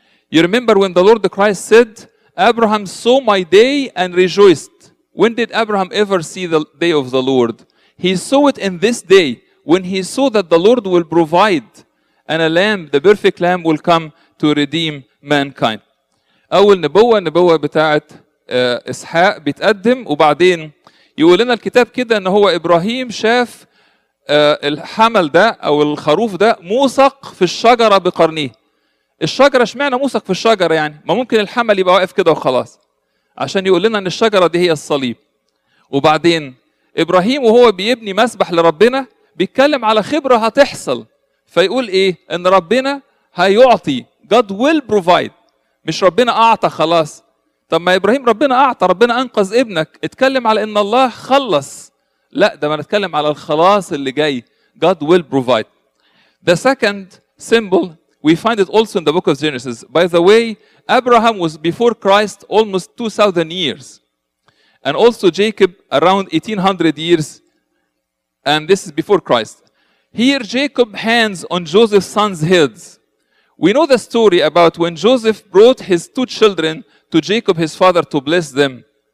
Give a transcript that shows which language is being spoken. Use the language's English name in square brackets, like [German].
[English] You remember when the Lord Christ said, Abraham saw my day and rejoiced. When did Abraham ever see the day of the Lord? He saw it in this day, when he saw that the Lord will provide, and a lamb, the perfect lamb, will come to redeem mankind. [Arabic] أول نبوة نبوة بتاعت إسحاق بيتقدم وبعدين يقول لنا الكتاب كده إن هو إبراهيم شاف الحمل ده أو الخروف ده موثق في الشجرة بقرنيه. الشجرة اشمعنى موثق في الشجرة يعني؟ ما ممكن الحمل يبقى واقف كده وخلاص. عشان يقول لنا إن الشجرة دي هي الصليب. وبعدين إبراهيم وهو بيبني مسبح لربنا بيتكلم على خبرة هتحصل فيقول إيه؟ إن ربنا هيعطي. [English] God will provide. [Arabic] مش ربنا أعطى خلاص. طب ما إبراهيم ربنا أعطى ربنا أنقذ ابنك اتكلم على إن الله خلص لا ده ما نتكلم على الخلاص اللي جاي [English] God will provide. The second symbol we find it also in the book of Genesis. By the way, Abraham was before Christ almost 2,000 years and also Jacob around 1,800 years and this is before Christ. Here Jacob hands on Joseph's son's heads. We know the story about when Joseph brought his two children to Jacob, his father, to bless them.